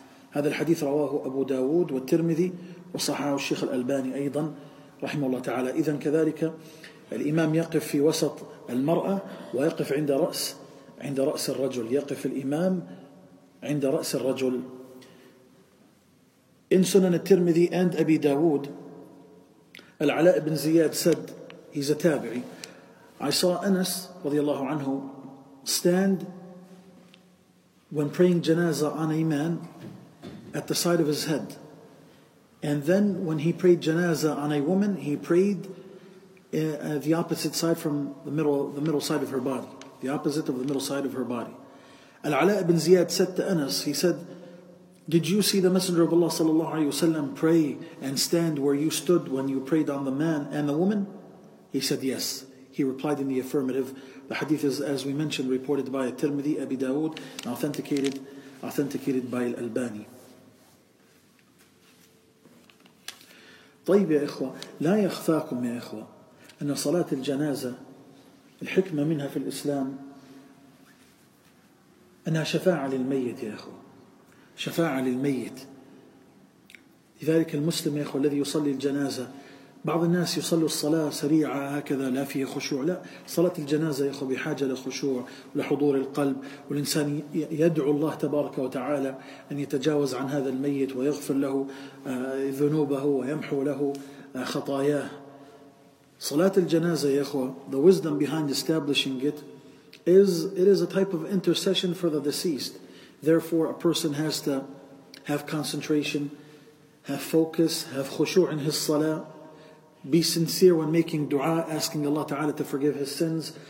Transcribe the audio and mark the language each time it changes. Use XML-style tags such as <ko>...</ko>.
<ar>هذا الحديث رواه أبو داود والترمذي وصححه الشيخ الألباني أيضا رحمه الله تعالى. إذن كذلك الإمام يقف في وسط المرأة ويقف عند رأس الرجل، يقف الإمام عند رأس الرجل.</ar> <en>In سنن الترمذي and أبي داود العلاء بن زياد said, he's a تابعي، I saw أنس رضي الله عنه stand when praying جنازة on a man at the side of his head. And then when he prayed janazah on a woman, he prayed the opposite side from the middle side of her body. The opposite of the middle side of her body. Al-Ala ibn Ziyad said to Anas, he said, did you see the Messenger of Allah sallallahu alayhi wa sallam pray and stand where you stood when you prayed on the man and the woman? He said, yes. He replied in the affirmative. The hadith is, as we mentioned, reported by Tirmidhi, Abi Dawood, and authenticated by Al-Albani.</en> <ar>طيب يا إخوة، لا يخفاكم يا إخوة أن صلاة الجنازة الحكمة منها في الإسلام أنها شفاعة للميت يا إخوة، شفاعة للميت. لذلك المسلم يا إخوة الذي يصلي الجنازة، بعض الناس يصلي الصلاة سريعة هكذا لا فيه خشوع، لا، صلاة الجنازة يا إخوة بحاجة لخشوع ولحضور القلب، والإنسان يدعو الله تبارك وتعالى أن يتجاوز عن هذا الميت ويغفر له ذنوبه ويمحو له خطاياه. صلاة الجنازة يا إخوة،</ar> <en>the wisdom behind establishing it is, it is a type of intercession for the deceased. Therefore a person has to have concentration, have focus, have خشوع in his صلاة. Be sincere when making dua, asking Allah Ta'ala to forgive his sins.</en>